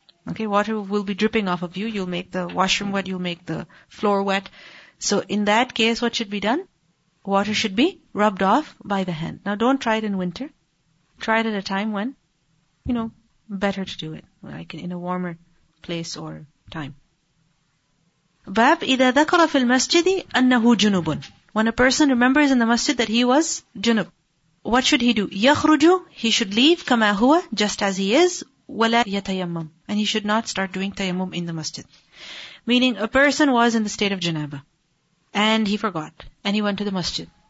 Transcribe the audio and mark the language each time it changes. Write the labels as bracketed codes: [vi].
[en] Okay, water will be dripping off of you. You'll make the washroom wet, you'll make the floor wet. So in that case, what should be done? Water should be rubbed off by the hand. Now don't try it in winter. Try it at a time when, you know, better to do it, like in a warmer place or time. [ar] باب إذا ذكر في المسجد أنه جنب. [en] When a person remembers in the masjid that he was junub, what should he do? [ar] يخرج, [en] he should leave, [ar] كما هو, [en] just as he is, [ar] ولا يتيمم, [en] and he should not start doing tayammum in the masjid. Meaning a person was in the state of janaba, and he forgot, and he went to the masjid.